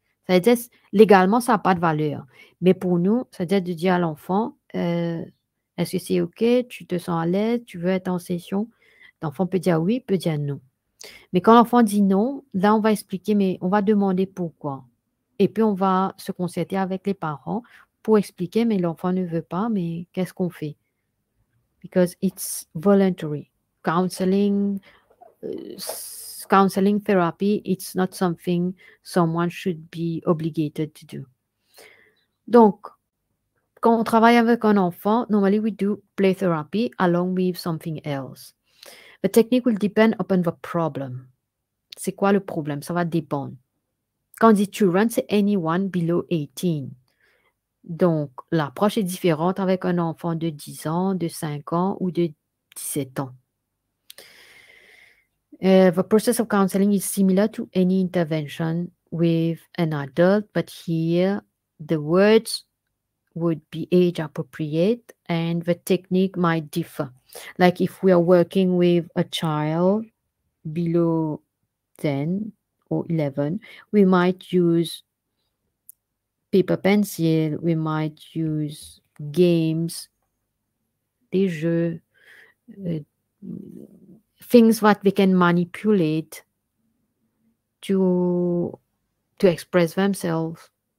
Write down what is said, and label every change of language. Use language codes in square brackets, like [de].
[fr] C'est-à-dire, légalement, ça n'a pas de valeur. Mais pour nous, c'est-à-dire de dire à l'enfant, est-ce que c'est OK, tu te sens à l'aise, tu veux être en session? L'enfant peut dire oui, peut dire non. Mais quand l'enfant dit non, là, on va expliquer, mais on va demander pourquoi. Et puis, on va se concerter avec les parents pour expliquer, mais l'enfant ne veut pas, mais qu'est-ce qu'on fait? [en] Because it's voluntary. Counseling therapy, it's not something someone should be obligated to do. [fr] Donc, quand on travaille avec un enfant, [en] normally we do play therapy along with something else. The technique will depend upon the problem. [fr] C'est quoi le problème? Ça va dépendre. Quand on dit children, c'est [en] anyone below 18. [fr] Donc, l'approche est différente avec un enfant de 10 ans, de 5 ans ou de 17 ans. [en] The process of counseling is similar to any intervention with an adult, but here the words would be age appropriate and the technique might differ. Like if we are working with a child below 10 or 11, we might use paper pencil, we might use games, [fr] des jeux, [en] things that we can manipulate to express themselves.